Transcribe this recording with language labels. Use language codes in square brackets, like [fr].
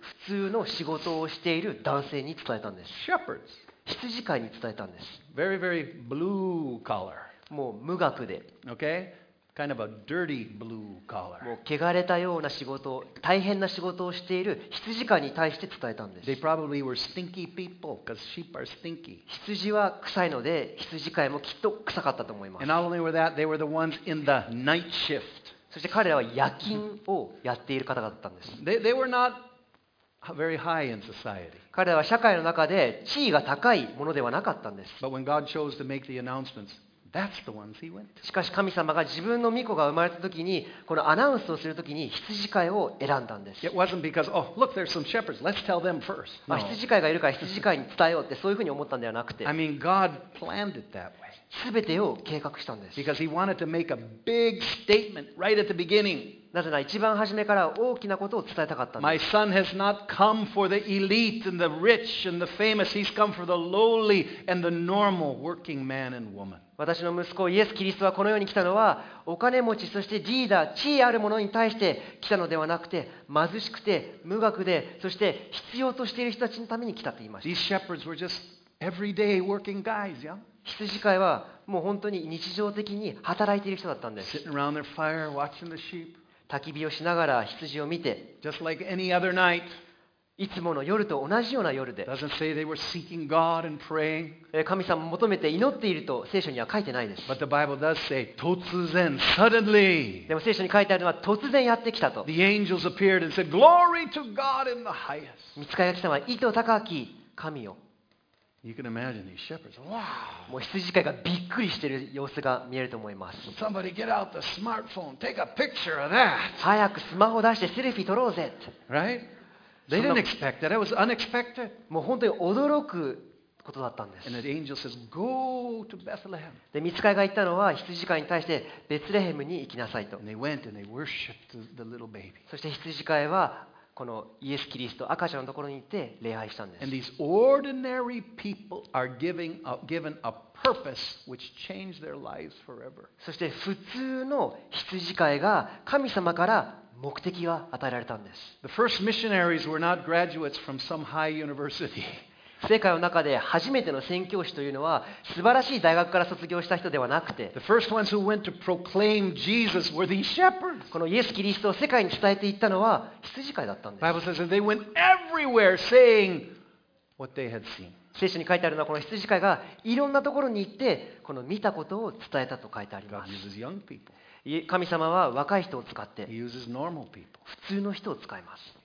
[ja] 普通の仕事をしている男性に伝えたんです。 [en] Shepherds. [ja] 羊飼いに伝えたんです。 [en] Very, very blue collar. [ja] もう無学で。 [en] Okay? Kind of a dirty blue collar. [ja] もう汚れたような仕事、大変な仕事をしている羊飼いに対して伝えたんです。 [en] They probably were stinky people, because sheep are stinky. [ja] 羊は臭いので、羊飼いもきっと臭かったと思います。 [en] And not only were that, they were the ones in the night shift. [ja] そして彼らは夜勤をやっている方だったんです。 [en] They were not very high in society. [ja] 彼らは社会の中で地位が高いものではなかったんです。 [en] But when God chose to make the announcements,That's the ones he went to. [ja] しかし神様が自分の御子が生まれた時にこのアナウンスをする時に羊飼いを選んだんです。 [en] It wasn't because, oh, look, there's some shepherds. Let's tell them first. No. [ja] 羊飼いがいるから羊飼いに伝えようってそういうふうに思ったんではなくて。 [en] I mean, God planned it that way. [ja] 全てを計画したんです。 [en] Because he wanted to make a big statement right at the beginning. [ja] なぜなら一番初めから大きなことを伝えたかったんです。 [en] My son has not come for the elite and the rich and the famous. He's come for the lowly and the normal working man and woman. [ja] 私の息子イエス・キリストはこの世に来たのはお金持ちそしてリーダー地位ある者に対して来たのではなくて貧しくて無学でそして必要としている人たちのために来たと言いました。 [en] These shepherds were just everyday working guys, yeah? [ja] 羊飼いはもう本当に日常的に働いている人だったんです。 [en] Sitting around their fire watching the sheep. [ja] 焚き火をしながら羊を見て [en] Just like any other night. [ja] いつもの夜と同じような夜で神様を求めて祈っていると聖書には書いてないです。でも聖書に書いてあるのは突然やってきたと。 [en] The angels appeared and said, Glory to God in the highest. [ja] 御使いが来たのは意図高き神よ。 [en] You can imagine these shepherds. Wow. [ja] もう羊飼いがびっくりしている様子が見えると思います。 [en] Somebody get out the smartphone. Take a picture of that. [ja] 早くスマホ出してセルフィー撮ろうぜ。 [en] Right? They didn't expect that. It was unexpected. [ja] もう本当に驚くことだったんです。 [en] And the angel says, "Go to Bethlehem." [ja] で、御使いが言ったのは、羊飼いに対してベツレヘムに行きなさいと。 [en] And they went and they worshipped the little baby. [ja] そして羊飼いはこのイエス・キリスト赤ちゃんのところに行って礼拝したんです。 [en] And these ordinary people are given a purpose which changed their lives forever. [ja] そして普通の羊飼いが神様から目的が与えられたんです。 [en] The first missionaries were not graduates from some high university. [ja] 世界の中で初めての宣教師というのは素晴らしい大学から卒業した人ではなくて、 [en] The first ones who went to proclaim Jesus were these shepherds. [ja] このイエス・キリストを世界に伝えていったのは羊飼いだったんです。 [en] Bible says that they went everywhere saying what they had seen. [ja] 聖書に書いてあるのはこの羊飼いがいろんなところに行ってこの見たことを伝えたと書いてあります。 [en] God uses young people. [ja] 神様は若い人を使って普通の人を使います。